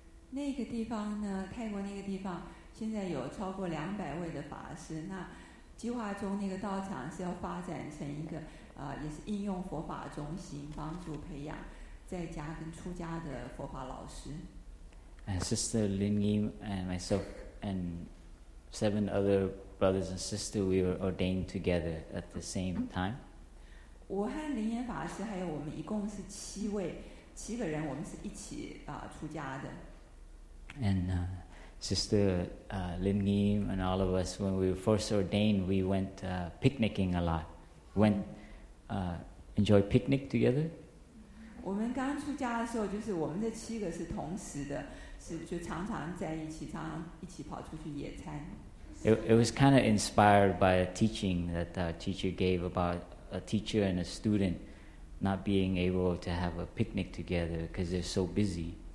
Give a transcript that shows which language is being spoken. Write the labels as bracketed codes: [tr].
[zh] 那个地方呢，泰国那个地方现在有超过200位的法师，那计划中那个道场是要发展成一个也是应用佛法中心，帮助培养在家跟出家的佛法老师。 [en] And Sister Lin Yim and myself and seven other brothers and sisters, we were ordained together at the same time. [zh] 我和林岩法师还有我们一共是七位，七个人，我们是一起出家的。 [en] And Sister Lin Yim and all of us, when we were first ordained, we went picnicking a lot. Went enjoy picnic together. [zh] 我们刚出家的时候，就是我们这七个是同时的。是就常常在一起，常常一起跑出去野餐。 [en] It was kind of inspired by a teaching that the teacher gave about a teacher and a student not being able to have a picnic together because they're so busy.